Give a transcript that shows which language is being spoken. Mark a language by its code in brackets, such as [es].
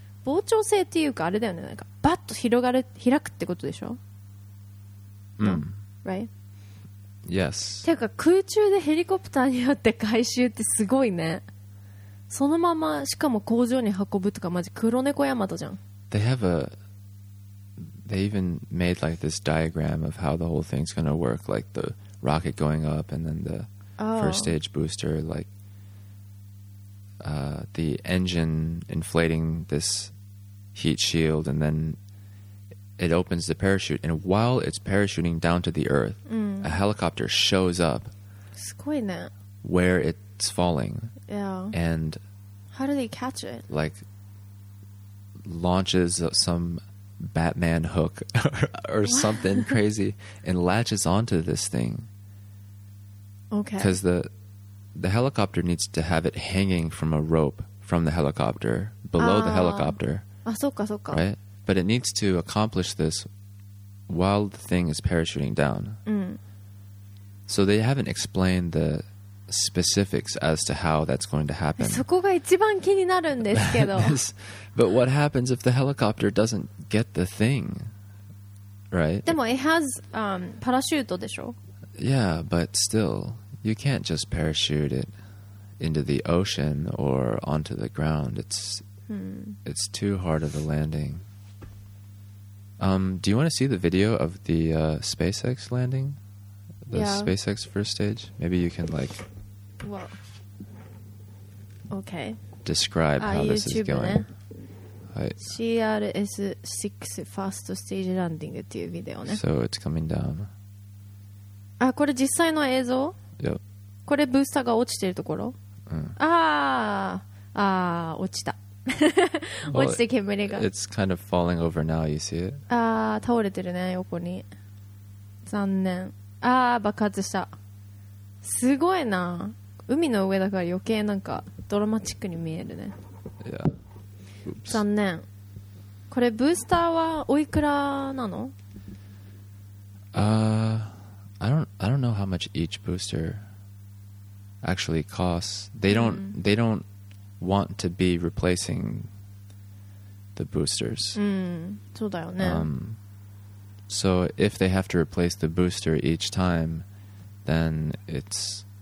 [ja] 膨張性っていうかあれだよね、なんかバッと広がる、開くってことでしょ。うん、 [en] Right? Yes. [ja] ていうか空中でヘリコプターによって回収ってすごいね。そのまましかも工場に運ぶとか、マジ黒猫ヤマトじゃん。 [en] They even made like this diagram of how the whole thing's gonna work, like the rocket going up and then the first stage booster, like the engine inflating this heat shield, and then it opens the parachute, and while it's parachuting down to the earth, a helicopter shows up where it's falling. Yeah. And how do they catch it? Like launches some Batman hook or something crazy and latches onto this thing. Okay. Because the helicopter needs to have it hanging from a rope from the helicopter, below the helicopter. [ja] Ah, そっかそっか。 [en] Right? But it needs to accomplish this while the thing is parachuting down. So they haven't explained the specifics as to how that's going to happen. [ja] そこが一番気になるんですけど。 [en] But what happens if the helicopter doesn't get the thing? Right? [ja] でも [en] it has parachute [ja] でしょ? [en] Yeah, but still... You can't just parachute it into the ocean or onto the ground. It's too hard of a landing. Do you want to see the video of the SpaceX landing? The SpaceX first stage? Maybe you can like... Well, okay. Describe how this YouTube is going. CRS-6 first stage landing [ja] っていう [en] video ね。 So it's coming down. [ja] あ、これ実際の映像? Yep. これブースターが落ちてるところ、うん、ああ落ちた落ちて煙が、 [en] well, It's kind of falling over now, you see it? [ja] ああ倒れてるね横に、残念。ああ爆発した、すごいな。海の上だから余計なんかドラマチックに見えるね、 [en] yeah. Oops. [ja] 残念。これブースターはおいくらなの？ [en] I don't know how much each booster actually costs. They don't want to be replacing the boosters. [ja] そうだよね。 [en] So if they have to replace the booster each time, then it's